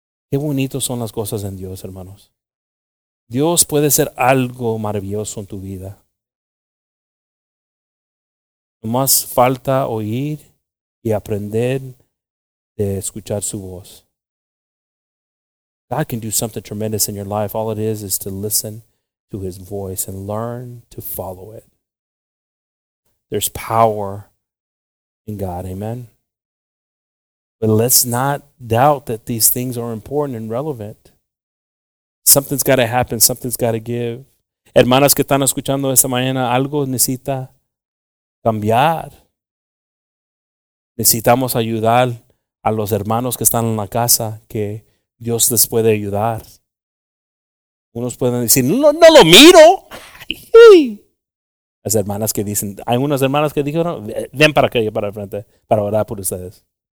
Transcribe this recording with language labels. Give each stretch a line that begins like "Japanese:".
Spanish: Qué bonitos son las cosas en Dios, hermanos. Dios puede ser algo maravilloso en tu vida. Nomás falta oír y aprender de escuchar su voz.
English: God can do something tremendous in your life. All it is to listen to his voice and learn to follow it. There's power in God, amen. But let's not doubt that these things are important and relevant. Something's got to happen. Something's got to give.
Spanish: Hermanas que están escuchando esta mañana, algo necesita cambiar. Necesitamos ayudar a los hermanos que están en la casa, que Dios les puede ayudar. Unos pueden decir, no lo miro. Las hermanas que dicen, hay unas hermanas que dijeron, ven para acá, para el frente, para orar por ustedes.